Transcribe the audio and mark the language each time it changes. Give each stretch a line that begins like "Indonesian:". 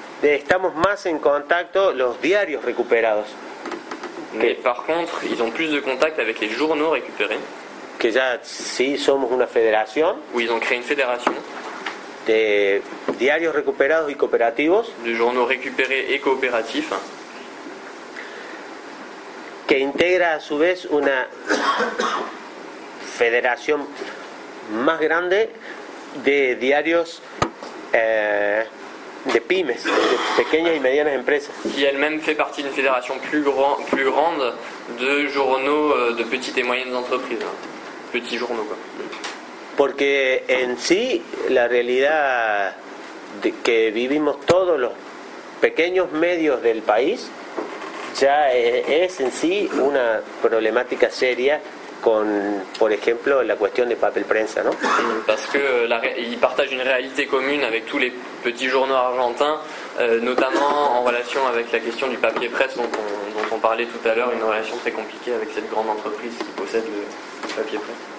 Spanish: estamos más en contacto los diarios recuperados.
French: Mais par contre, ils ont plus de contact avec les journaux récupérés.
Spanish: Que ya sí somos una federación.
French: Où ils ont créé une fédération.
Spanish: De diarios recuperados y cooperativos.
French: De journaux récupérés et coopératifs.
Spanish: Que
French: intègre à
Spanish: su vez
French: une fédération plus grande
Spanish: de diarios de pymes, de pequeñas y medianas empresas.
French: Qui elle-même fait partie d'une fédération plus grande de journaux de petites et moyennes entreprises. Petits journaux, quoi.
Spanish: Porque en sí la realidad de que vivimos todos los pequeños medios del país ya es en sí una problemática seria con, por ejemplo, la cuestión de papel prensa, ¿no?
French: Parce que ils partagent une réalité commune avec tous les petits journaux argentins, notamment en relation avec la question du papier presse dont on parlait tout à l'heure, une relation très compliquée avec cette grande entreprise qui possède le papier presse.